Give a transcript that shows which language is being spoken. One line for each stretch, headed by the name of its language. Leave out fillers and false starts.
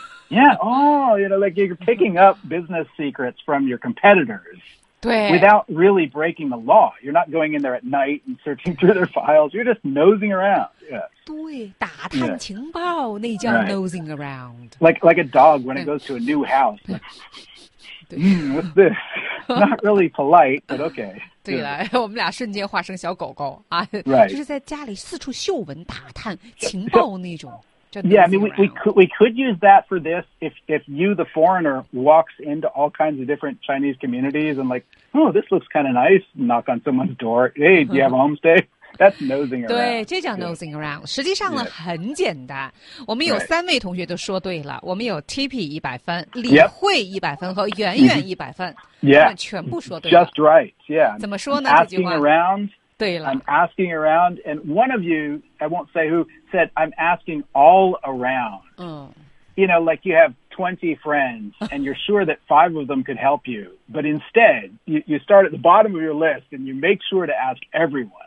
English: Yeah, oh, you know, like you're picking up business secrets from your competitors without really breaking the law. You're not going in there at night and searching through their files. You're just nosing around. Yeah.
Chinese: 对，打探情报、
English: yeah.
Chinese: 那叫
English: nosing around. Like a dog when it goes to a new house. What's this? Not really polite, but okay.
Chinese: 对了，我们俩瞬间化成小狗狗啊。
English: Right.
Chinese: 就是在家里四处嗅闻打探情报那种。
English: Yeah, I mean, we could use that for this if you, the foreigner, walks into all kinds of different Chinese communities and like, oh, this looks kind of nice, knock on someone's door, hey, do you have a homestay? That's nosing around.
Chinese: 对，这叫
English: nosing around.
Chinese: 实际上呢，
English: yeah.
Chinese: 很简单。我们有三位同学都说对了。
English: Right.
Chinese: 我们有 Tippy 一百分，
English: yep.
Chinese: 李慧一百分和圆圆一百分。
English: Yeah.
Chinese: 全部说对了。
English: Just right, yeah.
Chinese: 怎么说呢？
English: Asking around.
Chinese: 对了
English: I'm asking around, and one of you, I won't say who, said, I'm asking all around.、嗯、 you know, like you have 20 friends, and you're sure that five of them could help you, but instead, you start at the bottom of your list, and you make sure to ask everyone.